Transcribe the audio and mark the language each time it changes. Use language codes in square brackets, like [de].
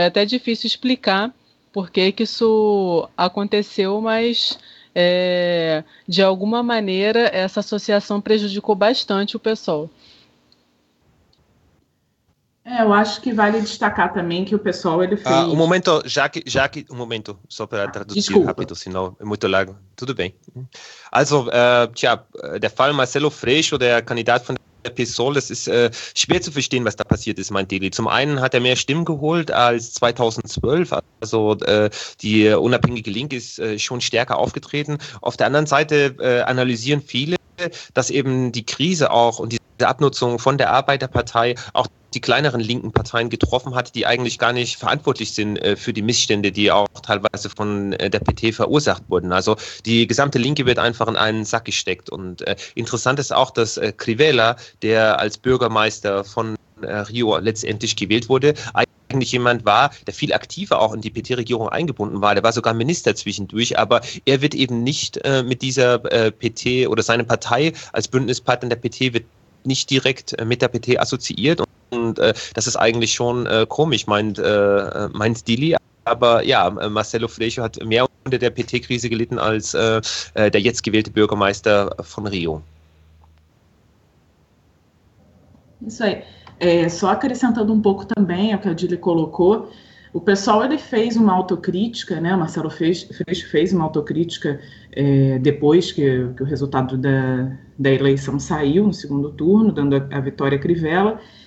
[pt] É até difícil explicar por que isso aconteceu, mas, de alguma maneira, essa associação prejudicou bastante o PSOL. Eu acho que vale destacar também que o PSOL ele fez... Um momento, já que um momento, só para traduzir rápido, senão é muito largo. Tudo bem. [de] Also, der Fall Marcelo Freixo, der Kandidat von PSOL, es ist schwer zu verstehen, was da passiert ist, meint Deli. Zum einen hat er mehr Stimmen geholt als 2012, also die Unabhängige Linke ist schon stärker aufgetreten. Auf der anderen Seite analysieren viele, dass eben die Krise auch und diese Abnutzung von der Arbeiterpartei auch die kleineren linken Parteien getroffen hat, die eigentlich gar nicht verantwortlich sind für die Missstände, die auch teilweise von der PT verursacht wurden. Also die gesamte Linke wird einfach in einen Sack gesteckt. Und interessant ist auch, dass Crivella, der als Bürgermeister von Rio letztendlich gewählt wurde, eigentlich jemand war, der viel aktiver auch in die PT-Regierung eingebunden war. Der war sogar Minister zwischendurch, aber er wird eben nicht mit dieser PT oder seine Partei als Bündnispartner der PT wird nicht direkt mit der PT assoziiert. Und das ist eigentlich schon komisch, meint Dili. Aber ja, Marcelo Freixo hat mehr unter der PT-Krise gelitten als der jetzt gewählte Bürgermeister von Rio. [pt] Isso aí. É, só acrescentando um pouco também ao que a Dili colocou, o pessoal ele fez uma autocrítica, né? Marcelo Freixo fez uma autocrítica depois que o resultado da eleição saiu no segundo turno, dando a vitória a Crivella.